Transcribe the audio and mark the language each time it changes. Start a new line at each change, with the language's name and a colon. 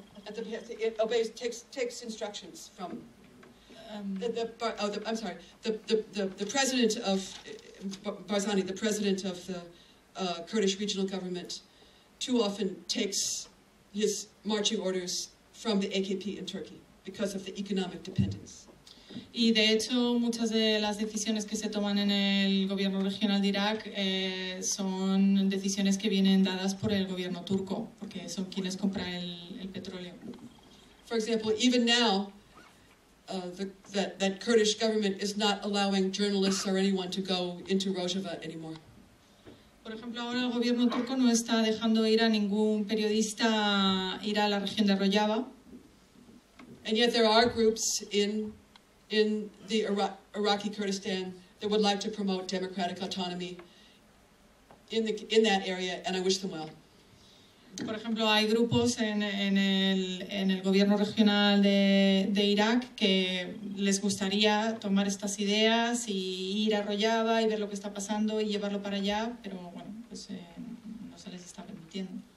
English: It takes instructions from the president of Barzani, the president of the Kurdish regional government, too often takes his marching orders from the AKP in Turkey because of the economic dependence.
Spanish: Y de hecho, muchas de las decisiones que se toman en el gobierno regional de Irak son decisiones que vienen dadas por el gobierno turco, porque son quienes compran el petróleo.
English: For example, even now, that Kurdish government is not allowing journalists or anyone to go into Rojava anymore.
Spanish: Por ejemplo, ahora el gobierno turco no está dejando ir a ningún periodista ir a la región de Rojava.
English: And yet there are groups in the Iraqi Kurdistan that would like to promote democratic autonomy in that area, and I wish them well.
Spanish: Por ejemplo, hay grupos en el gobierno regional de Irak que les gustaría tomar estas ideas y ir a Rojava y ver lo que está pasando y llevarlo para allá, pero bueno, pues no se les está permitiendo.